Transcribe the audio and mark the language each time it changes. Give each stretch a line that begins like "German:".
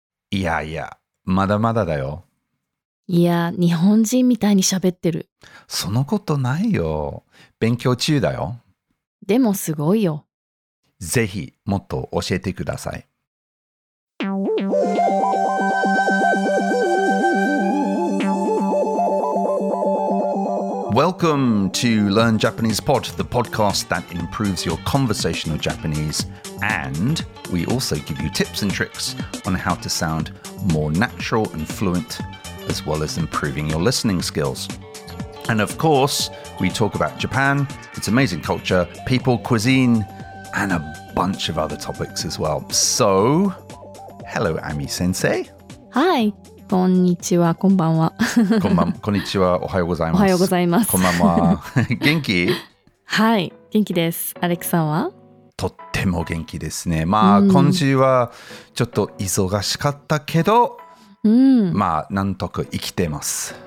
Japanese: いやいや、まだまだだよ。いや、日本人みたいに喋ってる。そのことないよ。勉強中だよ。でもすごいよ。ぜひもっと教えてください。
English: Welcome to Learn Japanese Pod, the podcast that improves your conversational Japanese. And we also give you tips and tricks on how to sound more natural and fluent, as well as improving your listening skills. And of course, we talk about Japan, its amazing culture, people, cuisine, and a bunch of other topics as well. So, hello, Ami-sensei. Hi.
Japanese: こんにちは、こんばんは。こんにちは、おはようございます。おはようございます。こんばんは。元気？はい、元気です。アレックさんは？とっても元気ですね。まあ、今週はちょっと忙しかったけど、まあ、なんとか生きてます。